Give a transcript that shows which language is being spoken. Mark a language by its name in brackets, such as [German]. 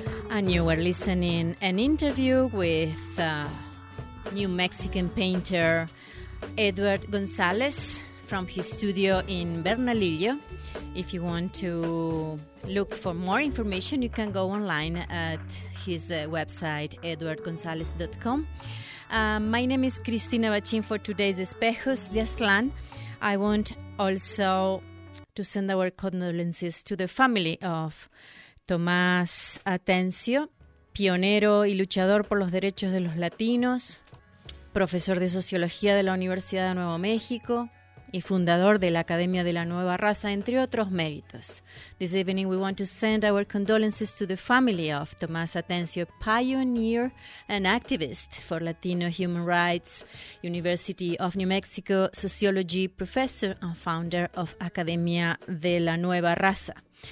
[English] and you were listening an interview with New Mexican painter Edward Gonzalez from his studio in Bernalillo. If you want to look for more information, you can go online at his website, edwardgonzalez.com. My name is Cristina Bachin for today's Espejos de Aztlán. I want also to send our condolences to the family of Tomás Atencio, [Spanish] pionero y luchador por los derechos de los latinos, profesor de sociología de la Universidad de Nuevo México y fundador de la Academia de la Nueva Raza, entre otros méritos. [English] This evening we want to send our condolences to the family of Tomás Atencio, pioneer and activist for Latino human rights, University of New Mexico, sociology professor and founder of Academia de la Nueva Raza.